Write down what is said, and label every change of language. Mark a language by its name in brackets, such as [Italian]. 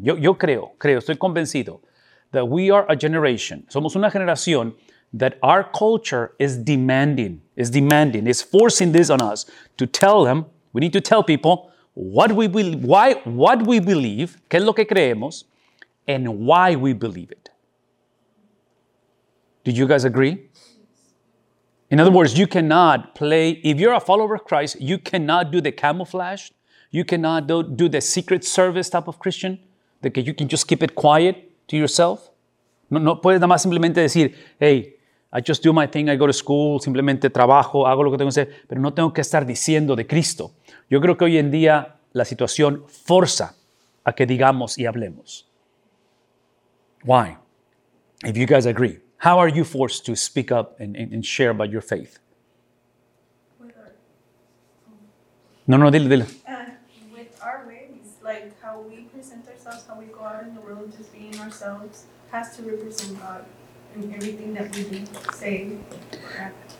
[Spanish] Yo creo, estoy convencido, [English] that we are a generation, [Spanish] somos una generación, [English] that our culture is demanding, is forcing this on us, to tell them, we need to tell people, what we believe, [Spanish] qué es lo que creemos, [English] and why we believe it. Do you guys agree? In other words, you cannot play, if you're a follower of Christ, you cannot do the camouflage, you cannot do the secret service type of Christian, that you can just keep it quiet to yourself. [Spanish] No puedes nada más simplemente decir, [English] hey, I just do my thing, I go to school, [Spanish] simplemente trabajo, hago lo que tengo que hacer, pero no tengo que estar diciendo de Cristo. Yo creo que hoy en día la situación forza a que digamos y hablemos. [English] Why? If you guys agree, how are you forced to speak up and share about your faith? With our, [Spanish] dile. [English] With our ways, like how we present ourselves, how we go out in the world, just being ourselves, has to represent God in everything that we do, say, or happen.